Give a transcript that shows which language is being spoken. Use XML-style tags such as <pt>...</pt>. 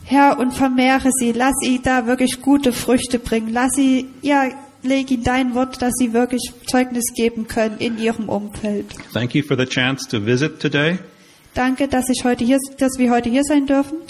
<de>Herr, und vermehre sie, lass sie da wirklich gute Früchte bringen. Lass sie, leg ihnen dein Wort, dass sie wirklich Zeugnis geben können in ihrem Umfeld.</de> <en>Thank you for the chance to visit today.</en> <de>Danke, dass wir heute hier sein dürfen.</de>